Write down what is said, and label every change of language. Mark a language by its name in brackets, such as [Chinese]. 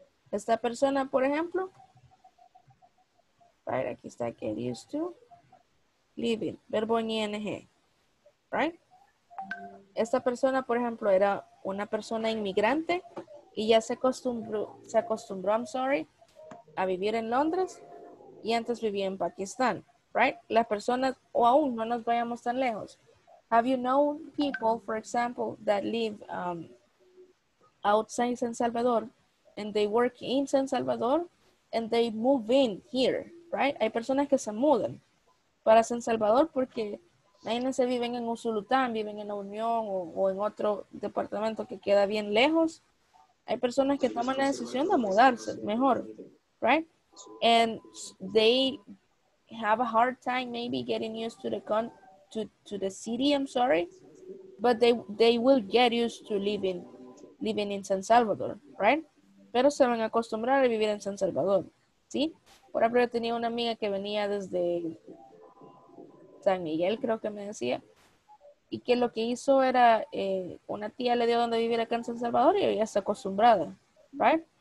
[Spanish] Esta persona, por ejemplo, right, aquí está, get used to, living, verbo en ing, right? Esta persona, por ejemplo, era una persona inmigrante y ya se acostumbró, [English] I'm sorry, [Spanish] a vivir en Londres y antes vivía en Pakistán, right? Las personas, o aún no nos vayamos tan lejos. [English] Have you known people, for example, that live outside San Salvador and they work in San Salvador and they move in here? Right? [Spanish] Hay personas que se mudan para San Salvador porque imagínense, viven en Usulután, viven en La Unión o en otro departamento que queda bien lejos. Hay personas que toman la decisión de mudarse mejor, right? [English] And they have a hard time maybe getting used to the city, I'm sorry, but they will get used to living in San Salvador, right? [Spanish] Pero se van a acostumbrar a vivir en San Salvador, ¿sí? Por ejemplo, yo tenía una amiga que venía desde San Miguel, creo que me decía, y que lo que hizo era, una tía le dio donde vivir acá en San Salvador y ya está acostumbrada, right?